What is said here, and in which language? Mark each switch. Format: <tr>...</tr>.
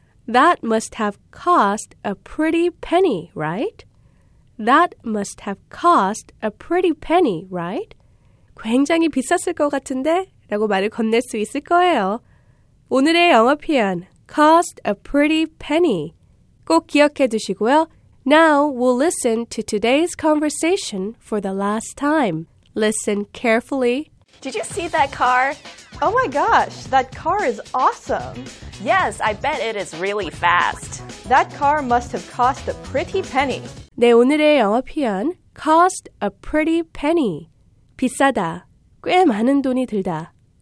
<en>That must have cost a pretty penny, right? That must have cost a pretty penny, right?</en> <ko>굉장히 비쌌을 것 같은데? 라고 말을 건넬 수 있을 거예요. 오늘의 영어 표현, cost a pretty penny. 꼭 기억해 두시고요.</ko> <en>Now we'll listen to today's conversation for the last time. Listen carefully. Did you see that car? Oh my gosh, that car is awesome. Yes, I bet it is really fast. That car must have cost a pretty penny.</en> <ko>네, 오늘의 영어 표현, cost a pretty penny. 비싸다, 꽤 많은 돈이 들다.</ko>